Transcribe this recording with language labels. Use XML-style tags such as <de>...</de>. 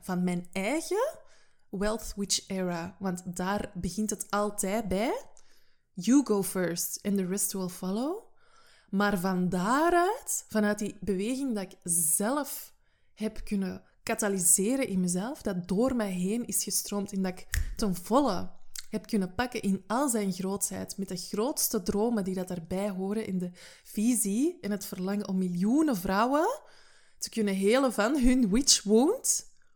<nl>Van mijn eigen Wealth Witch Era. Want daar begint het altijd bij.</nl> <en>You go first and the rest will follow.</en> <nl>Maar van daaruit, vanuit die beweging dat ik zelf heb kunnen katalyseren in mezelf, dat door mij heen is gestroomd en dat ik ten volle heb kunnen pakken in al zijn grootsheid, met de grootste dromen die dat daarbij horen in de visie en het verlangen om miljoenen vrouwen te kunnen helen van hun witch wound.</nl>